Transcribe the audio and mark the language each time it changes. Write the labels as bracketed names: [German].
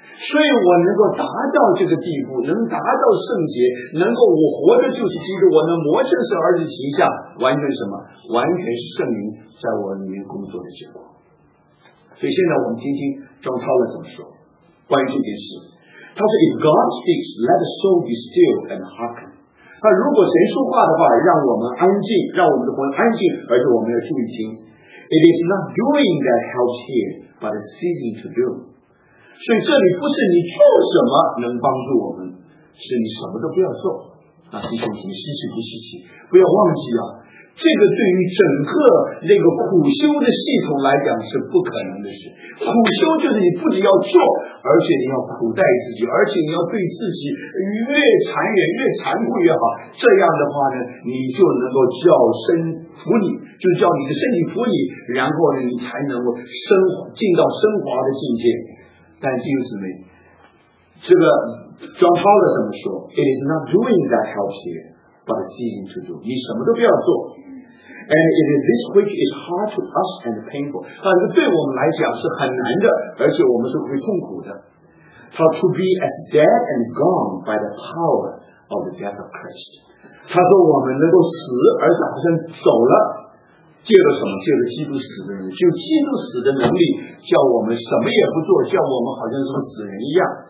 [Chinese] 所以我能够达到这个地步，能达到圣洁，能够我活着就是基督，我能磨圣是儿子形象，完全什么，完全是圣灵在我里面工作的结果。所以现在我们听听庄涛怎么说关于这件事，他说 [English] If God speaks, let the soul be still and hearken。 [Chinese] 那如果神说话的话，让我们安静，让我们的魂安静，而且我们要注意听。 [English] It is not doing that helps here, but seeking to do。 [Chinese] 所以这里不是你做什么能帮助我们，是你什么都不要做。那弟兄姊妹，稀奇不稀奇？不要忘记啊，这个对于整个那个苦修的系统来讲是不可能的事。苦修就是你不仅要做，而且你要苦待自己，而且你要对自己越残忍越残酷越好，这样的话呢，你就能够叫身服你，就叫你的身体服你，然后呢，你才能够升进到升华的境界。但弟兄姊妹，这个庄涛的怎么说， [English] It is not doing that helps here, but seeking to do。 [Chinese] 你什么都不要做， [English] And it is this which is hard to us and painful. [Chinese] 但是对我们来讲是很难的，而且我们是会痛苦的。 [English] How to be as dead and gone by the power of the death of Christ. [Chinese] 他说我们能够死而且好像走了，借着什么？借着基督死的能力，就基督死的能力叫我们什么也不做，叫我们好像是死人一样。